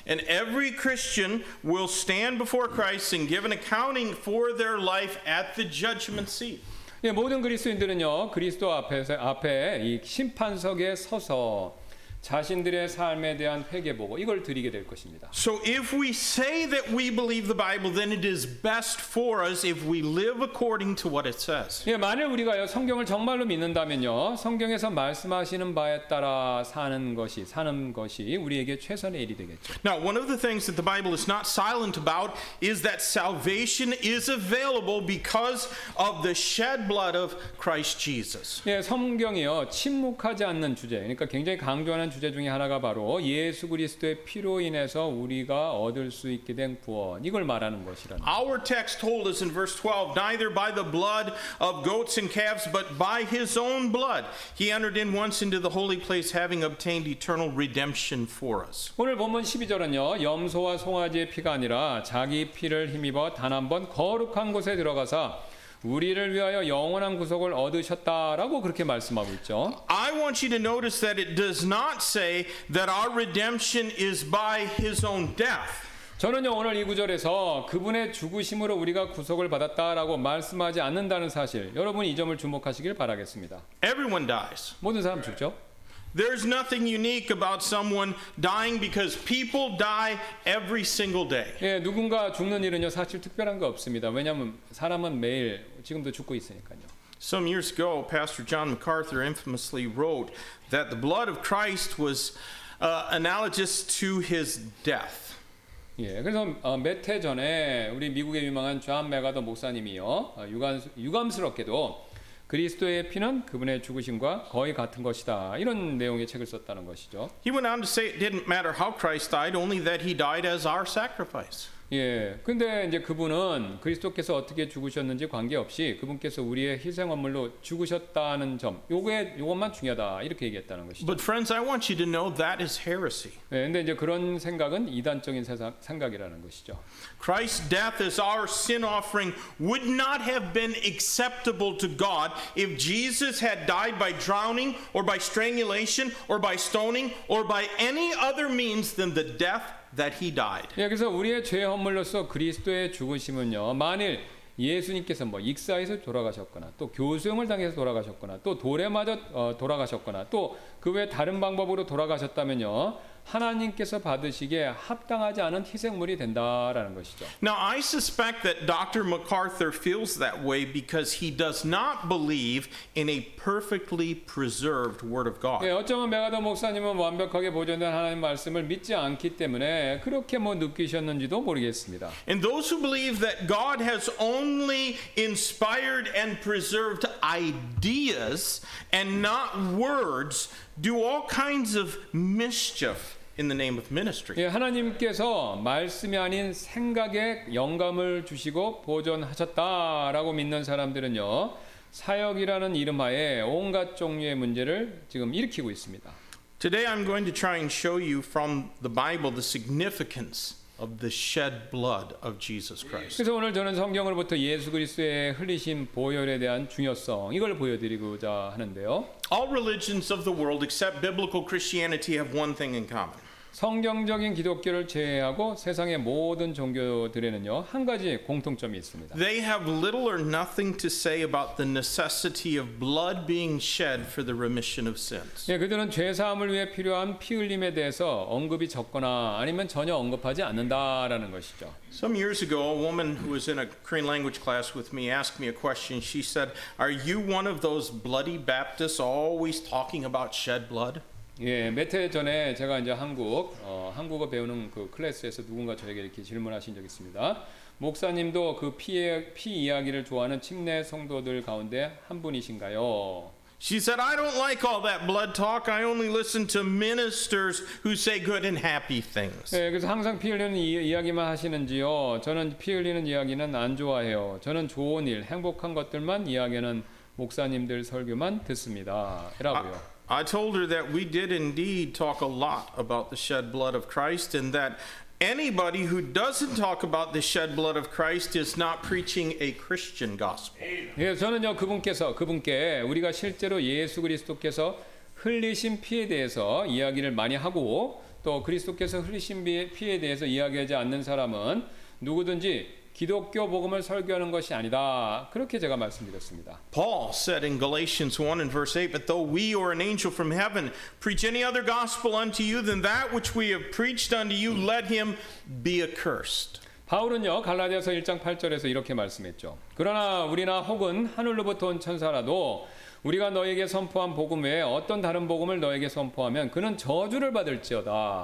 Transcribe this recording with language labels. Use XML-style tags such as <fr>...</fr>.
<en>And every Christian will stand before Christ and give an accounting for their life at the judgment seat.</en> <ko>예, 모든 그리스도인들은요. 그리스도 앞에 이 심판석에 서서 자신들의 삶에 대한 회개 보고 이걸 드리게 될 것입니다.</ko> <en>So if we say that we believe the Bible, then it is best for us if we live according to what it says.</en> <ko>예, 만일 우리가요 성경을 정말로 믿는다면요, 성경에서 말씀하시는 바에 따라 사는 것이 우리에게 최선의 일이 되겠죠.</ko> <en>Now, one of the things that the Bible is not silent about is that salvation is available because of the shed blood of Christ Jesus.</en> <ko>예, 성경이요 침묵하지 않는 주제, 그러니까 굉장히 강조하는 주제 중에 하나가 바로 예수 그리스도의 피로 인해서 우리가 얻을 수 있게 된 구원, 이걸 말하는 것이라는.</ko> <en>Our text told us in verse 12, neither by the blood of goats and calves, but by his own blood, he entered in once into the holy place, having obtained eternal redemption for us.</en> <ko>오늘 본문 12절은요, 염소와 송아지의 피가 아니라 자기 피를 힘입어 단 한 번 거룩한 곳에 들어가서 우리를 위하여 영원한 구속을 얻으셨다라고 그렇게 말씀하고 있죠.</ko> <en>I want you to notice that it does not say that our redemption is by his own death.</en> <ko>저는요 오늘 이 구절에서 그분의 죽으심으로 우리가 구속을 받았다라고 말씀하지 않는다는 사실, 여러분이 이 점을 주목하시길 바라겠습니다.</ko> <en>Everyone dies.</en> <ko>모든 사람 죽죠.</ko> <en>There's nothing unique about someone dying because people die every single day.</en> <ko>예, 누군가 죽는 일은요 사실 특별한 거 없습니다. 왜냐하면 사람은 매일 지금도 죽고 있으니까요.</ko> <en>Some years ago, Pastor John MacArthur infamously wrote that the blood of Christ was analogous to his death.</en> <ko>예, 그래서 몇 해 전에 우리 미국의 유명한 존 맥아더 목사님이요 유감스럽게도 그리스도의 피는 그분의 죽으심과 거의 같은 것이다, 이런 내용의 책을 썼다는 것이죠.</ko> <en>He went on to say it didn't matter how Christ died, only that he died as our sacrifice.</en> <ko>예, 근데 이제 그분은 그리스도께서 어떻게 죽으셨는지 관계없이 그분께서 우리의 희생 헌물로 죽으셨다는 점, 요것만 중요하다, 이렇게 얘기했다는 것이죠.</ko> <en>But friends, I want you to know that is heresy.</en> <ko>예, 근데 이제 그런 생각은 이단적인 생각이라는 것이죠.</ko> <en>Christ's death as our sin offering would not have been acceptable to God if Jesus had died by drowning or by strangulation or by stoning or by any other means than the death that he died.</en> <ko>예, 그래서 우리의 죄 허물로서 그리스도의 죽으심은요, 만일 예수님께서 뭐 익사에서 돌아가셨거나 또 교수형을 당해서 돌아가셨거나 또 돌에 맞아 돌아가셨거나 또 그 외 다른 방법으로 돌아가셨다면요, 하나님께서 받으시기에 합당하지 않은 희생물이 된다라는 것이죠.</ko> <en>Now I suspect that Dr. MacArthur feels that way because he does not believe in a perfectly preserved Word of God.</en> <ko>예, 어쩌면 맥아더 목사님은 완벽하게 보존된 하나님 말씀을 믿지 않기 때문에 그렇게 뭐 느끼셨는지도 모르겠습니다.</ko> <en>And those who believe that God has only in inspired and preserved ideas and not words do all kinds of mischief in the name of ministry.</en> <ko>예, 하나님께서 말씀이 아닌 생각에 영감을 주시고 보존하셨다라고 믿는 사람들은요. 사역이라는 이름하에 온갖 종류의 문제를 지금 일으키고 있습니다.</ko> <en>Today I'm going to try and show you from the Bible the significance of the shed blood of Jesus Christ.</en> <ko>그래서 오늘 저는 성경으로부터 예수 그리스도의 흘리신 보혈에 대한 중요성 이걸 보여드리고자 하는데요.</ko> <en>All religions of the world except biblical Christianity have one thing in common.</en> <ko>성경적인 기독교를 제외하고 세상의 모든 종교들에는요 한 가지 공통점이 있습니다.</ko> <en>They have little or nothing to say about the necessity of blood being shed for the remission of sins.</en> <ko>예, 그들은 죄 사함을 위해 필요한 피 흘림에 대해서 언급이 적거나 아니면 전혀 언급하지 않는다라는 것이죠.</ko> <en>Some years ago, a woman who was in a Korean language class with me asked me a question. She said, "Are you one of those bloody Baptists always talking about shed blood?"</en> <ko>예, 몇 해 전에 제가 이제 한국어 배우는 그 클래스에서 누군가 저에게 이렇게 질문하신 적이 있습니다. 목사님도 그 피 이야기를 좋아하는 침례 성도들 가운데 한 분이신가요?</ko> <en>She said, "I don't like all that blood talk. I only listen to ministers who say good and happy things."</en> <ko>예, 그래서 항상 피 흘리는 이야기만 하시는지요? 저는 피 흘리는 이야기는 안 좋아해요. 저는 좋은 일, 행복한 것들만 이야기하는 목사님들 설교만 듣습니다. 라고요.</ko> <en>I told her that we did indeed talk a lot about the shed blood of Christ and that anybody who doesn't talk about the shed blood of Christ is not preaching a Christian gospel.</en> <ko>예, 저는요 그분께 우리가 실제로 예수 그리스도께서 흘리신 피에 대해서 이야기를 많이 하고 또 그리스도께서 흘리신 피에 대해서 이야기하지 않는 사람은 누구든지 기독교 복음을 설교하는 것이 아니다. 그렇게 제가 말씀드렸습니다.</ko> <en>Paul said in Galatians 1 and verse 8, "But though we or an angel from heaven preach any other gospel unto you than that which we have preached unto you, let him be accursed."</en> <ko>바울은요, 갈라디아서 1장 8절에서 이렇게 말씀했죠. 그러나 우리나 혹은 하늘로부터 온 천사라도 우리가 너에게 선포한 복음 외에 어떤 다른 복음을 너에게 선포하면 그는 저주를 받을지어다.</ko>